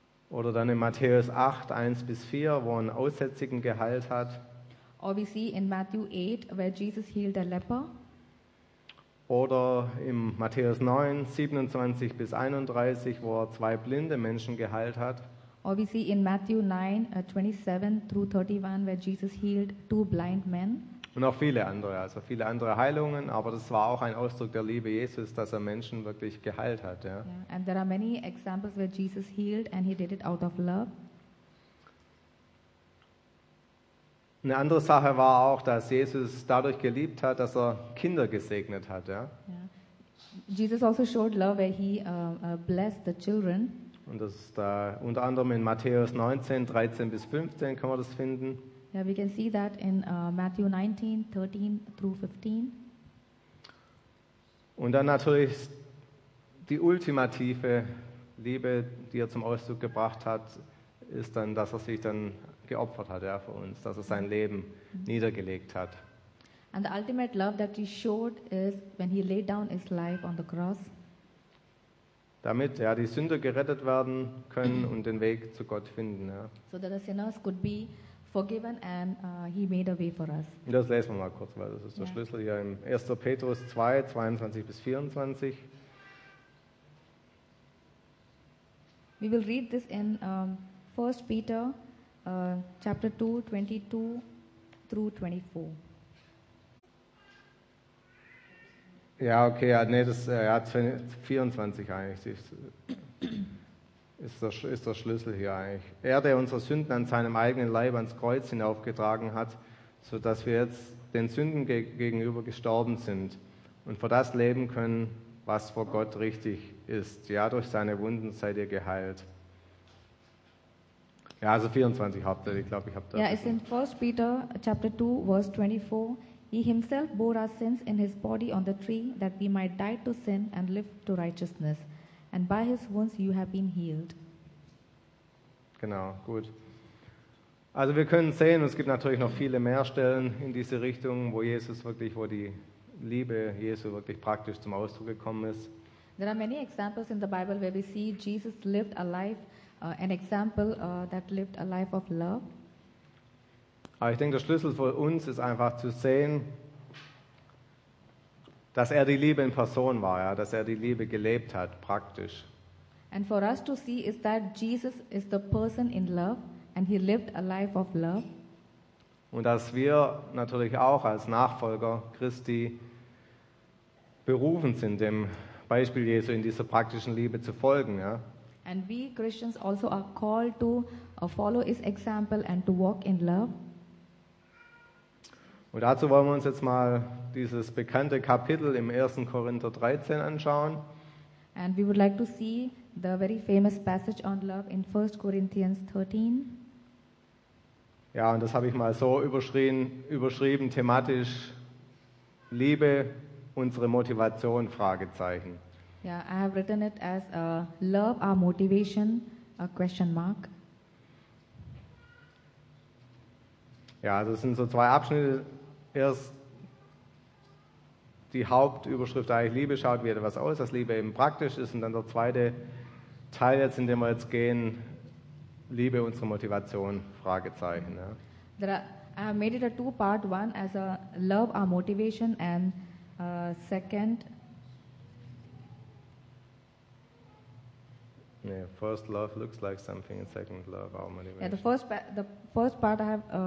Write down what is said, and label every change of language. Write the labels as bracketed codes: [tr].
[de] Oder dann in Matthäus 8, 1 bis 4, wo ein Aussätzigen geheilt hat. [en] Or we see in Matthew 8, where Jesus healed a leper. [de] Oder im Matthäus 9, 27 bis 31, wo er zwei blinde Menschen geheilt hat. [en] Or we see in Matthew 9, 27 through 31, where Jesus healed two blind men. [de] Und auch viele andere, also viele andere Heilungen, aber das war auch ein Ausdruck der Liebe Jesus, dass er Menschen wirklich geheilt hat. Ja. [en] Yeah. And there are many examples where Jesus healed and he did it out of love. [de] Eine andere Sache war auch, dass Jesus dadurch geliebt hat, dass er Kinder gesegnet hat. Ja. [en] Jesus also showed love where he blessed the children. [de] Und das ist da unter anderem in Matthäus 19, 13 bis 15, kann man das finden. [en] Yeah, we can see that in Matthew 19, 13 through 15. [de] Und dann natürlich die ultimative Liebe, die er zum Ausdruck gebracht hat, ist dann, dass er sich dann geopfert hat, ja, für uns, dass er sein Leben niedergelegt hat. [en] And the ultimate love that he showed is when he laid down his life on the cross. [de] Damit, ja, die Sünder gerettet werden können und den Weg zu Gott finden, ja. [en] So that the sinners could be forgiven and he made a way for us. [de] Das lesen wir mal kurz, weil das ist der Schlüssel hier im 1. Petrus 2, 22 bis 24. [en] We will read this in 1 Peter chapter 2, 22 through 24. [de] Ja, okay, nee, das ja, 24 eigentlich ist der Schlüssel hier eigentlich. Er, der unsere Sünden an seinem eigenen Leib ans Kreuz hinaufgetragen hat, sodass wir jetzt den Sünden gegenüber gestorben sind und für das leben können, was vor Gott richtig ist. Ja, durch seine Wunden seid ihr geheilt. Ja, also 24 hauptsächlich, glaube ich, habe da. Ja, es ist in 1. Peter, Chapter 2, Verse 24. [en] He himself bore our sins in his body on the tree, that we might die to sin and live to righteousness. And by his wounds you have been healed. [de] Genau, gut. Also wir können sehen, es gibt natürlich noch viele mehr Stellen in diese Richtung, wo die Liebe Jesu wirklich praktisch zum Ausdruck gekommen ist. [en] There are many examples in the Bible where we see Jesus lived a life, an example that lived a life of love. [de] Aber ich denke, der Schlüssel für uns ist einfach zu sehen, dass er die Liebe in Person war, ja, dass er die Liebe gelebt hat, praktisch. [en] And for us to see is that Jesus is the person in love and he lived a life of love. [de] Und dass wir natürlich auch als Nachfolger Christi berufen sind, dem Beispiel Jesu in dieser praktischen Liebe zu folgen, ja. [en] And we Christians also are called to follow his example and to walk in love. [de] Und dazu wollen wir uns jetzt mal dieses bekannte Kapitel im 1. Korinther 13 anschauen. [en] And we would like to see the very famous passage on love in 1 Corinthians 13. [de] Ja, und das habe ich mal so überschrieben thematisch: Liebe, unsere Motivation, Fragezeichen. [en] Yeah, I have written it as love, our motivation, a question mark. [de] Ja, also es sind so zwei Abschnitte. Erst die Hauptüberschrift, eigentlich Liebe, schaut wie etwas aus, dass Liebe eben praktisch ist. Und dann der zweite Teil, jetzt, in dem wir jetzt gehen, Liebe, unsere Motivation, Fragezeichen. Ja. [en] I made it a two-part, one as a love, our motivation, and second. Yeah, first love looks like something, and second love, our motivation. Yeah, the first part I have...